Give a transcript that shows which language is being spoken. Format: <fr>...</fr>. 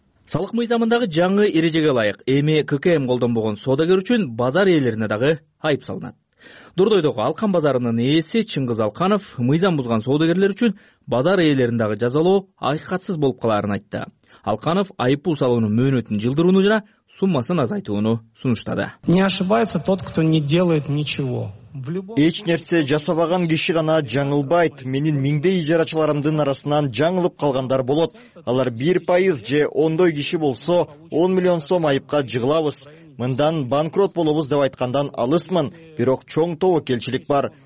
<ky>Салык мыйзамындагы жаңы эрежеге ылайык эми ККМ колдонбогон соодагер үчүн базар ээлерине дагы айып салынат. Дордойдогу Алкан базарынын ээси Чыңгыз Алканов мыйзам бузган соодагерлер үчүн базар ээлерин дагы жазалоо акыйкатсыз болуп калаарын айтты. Алканов айыппул салуунун мөөнөтүн жылдырууну жана суммасын азайтууну сунуштады.</ky> <ru>Не ошибается тот, кто не делает ничего.</ru> <ky>Эч нерсе жасабаган киши гана жаңылбайт. Менин миңдей ижарачыларымдын арасынан жаңылып калгандар болот. Алар 1% же 10 киши болсо 10 миллион сом айыпка жыгылабыз. Мындан банкрот болобуз деп айткандан алысмын, бирок чоң тобокелчилик бар.</ky>